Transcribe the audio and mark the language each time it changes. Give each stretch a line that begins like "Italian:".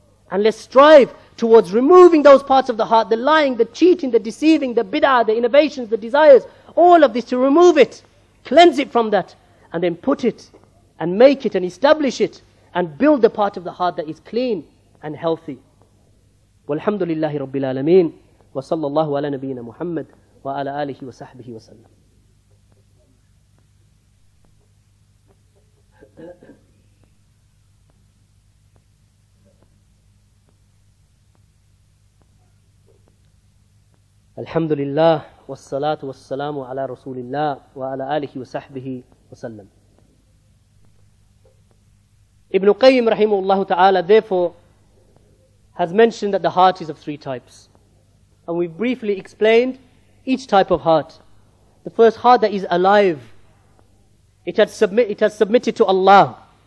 English: And let's strive towards removing those parts of the heart, the lying, the cheating, the deceiving, the bid'ah, the innovations, the desires, all of this, to remove it, cleanse it from that, and then put it and make it and establish it and build the part of the heart that is clean and healthy.
Arabic: والحمد لله رب العالمين وصلى الله على نبينا محمد وعلى آله وصحبه وسلم. الحمد لله والصلاة والسلام على رسول الله وعلى آله وصحبه وسلم.
English: Ibn Qayyim rahimahullah ta'ala therefore has mentioned that the heart is of three types. And we briefly explained each type of heart. The first heart that is alive, it has submitted to Allah.